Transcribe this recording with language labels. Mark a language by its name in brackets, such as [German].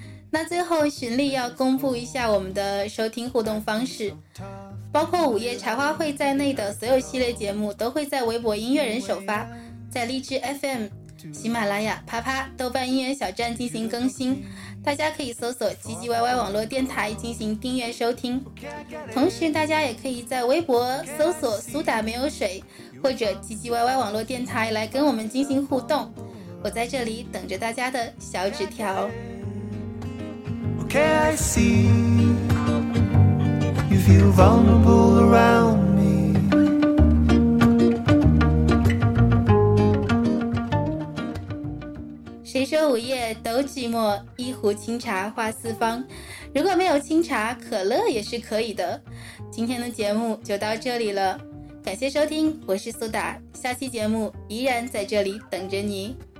[Chinese] 那最后寻丽要公布一下我们的收听互动方式，包括午夜茶话会在内的所有系列节目都会在微博音乐人首发，在荔枝 FM、 喜马拉雅、啪啪、豆瓣音乐小站进行更新，大家可以搜索唧唧歪歪网络电台进行订阅收听。同时大家也可以在微博搜索苏打没有水或者唧唧歪歪网络电台来跟我们进行互动，我在这里等着大家的小纸条。 [English] OK I see You feel vulnerable around me [Chinese] 谁说午夜斗寂寞，一壶清茶话四方。如果没有清茶，可乐也是可以的。今天的节目就到这里了，感谢收听，我是苏打，下期节目依然在这里等着你。